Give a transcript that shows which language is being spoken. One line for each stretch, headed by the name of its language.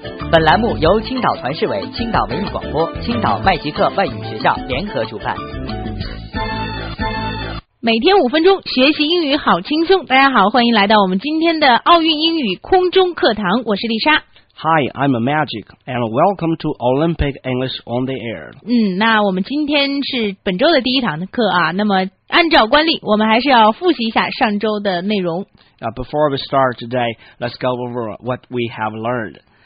Chinese: 本栏目由青岛团市委、青岛文艺广播、青岛麦吉克外语学校联合主办。每天五分钟学习英语好轻松，大家好，欢迎来到我们今天的奥运英语空中课堂，我是丽莎。
English: Hi, I'm Magic, and welcome to Olympic English on the air.
Chinese: 那我们今天是本周的第一堂的课啊，那么按照惯例，我们还是要复习一下上周的内容。
English: Before we start today, let's go over what we have learned.